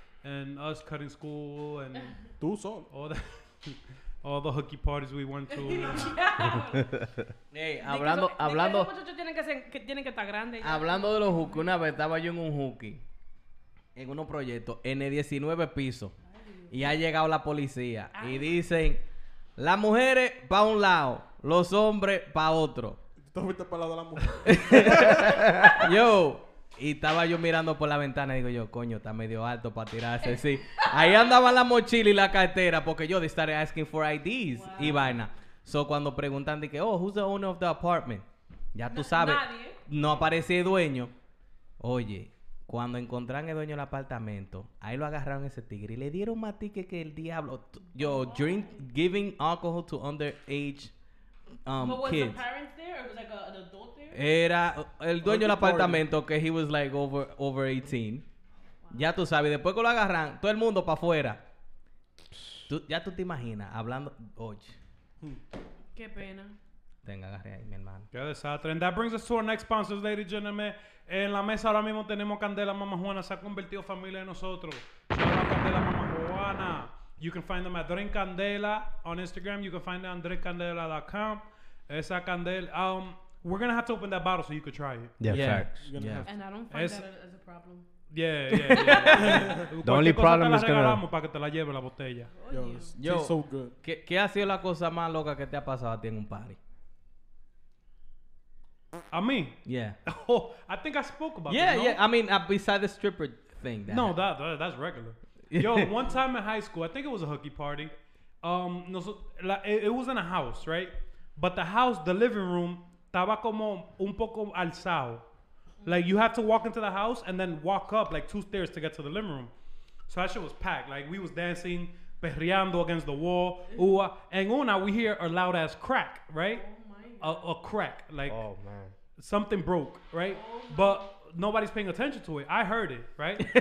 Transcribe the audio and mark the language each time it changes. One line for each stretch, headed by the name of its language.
English: And us cutting school and
Spanish: tú solo.
English: All the hooky parties we went to.
Spanish: hablando. Los muchachos tienen que estar grandes. Hablando de los hookies, una vez estaba yo en un hookie en unos proyectos en el 19 piso y ha llegado la policía y dicen. Las mujeres pa' un lado, los hombres pa' otro. ¿Tú viste pa' el lado de la mujer? Yo, y estaba yo mirando por la ventana y digo yo, coño, está medio alto para tirarse. Sí, ahí andaba la mochila y la cartera porque yo
English: started asking for IDs
Spanish: y vaina.
English: So,
Spanish: cuando preguntan, dije,
English: oh, who's the owner of the apartment?
Spanish: Ya tú sabes. Nadie. No aparecía el dueño. Oye, cuando encontraron el dueño del apartamento, ahí lo agarraron ese tigre y le dieron más tique que el diablo.
English: Yo, giving alcohol to underage kids. ¿Was the parents there? ¿Or was like an adult there?
Spanish: Era el dueño del apartamento, que
English: he was like over 18.
Spanish: Wow. Ya tú sabes, después que lo agarran, todo el mundo para afuera. Ya tú te imaginas, hablando, oye. Qué pena. Tenga, agarré ahí, mi hermano. Qué desastre.
English: And that brings us to our next sponsors, ladies and gentlemen.
Spanish: En la mesa ahora mismo tenemos Candela Mama Juana. Se ha convertido familia de nosotros.
English: Shout out Candela Mama Juana. You can find them at Drink Candela on Instagram. You can find them on drinkcandela.com.
Spanish: Esa candela.
English: We're going to have to open that bottle so you could try it. Yeah. And I don't find that as a problem. Yeah. The only problem is gonna.
Spanish: Para que te la lleve la botella.
English: Yo, it's so good.
Spanish: ¿Qué ha sido la cosa más loca que te ha pasado a ti en un party?
English: A me? Yeah. Oh, I think I spoke about that. Yeah, no? Yeah. I mean, beside the stripper thing. That's regular. Yo, one time in high school, I think it was a hooky party. It was in a house, right? But the house, the living room,
Spanish: estaba como un poco alzado.
English: Like, you have to walk into the house and then walk up, like, two stairs to get to the living room. So that shit was packed. Like, we was dancing, perreando against the wall. Ooh, and una, we hear a loud-ass crack, right? A crack, like, oh, man. Something broke, right? Oh, but nobody's paying attention to it. I heard it, right?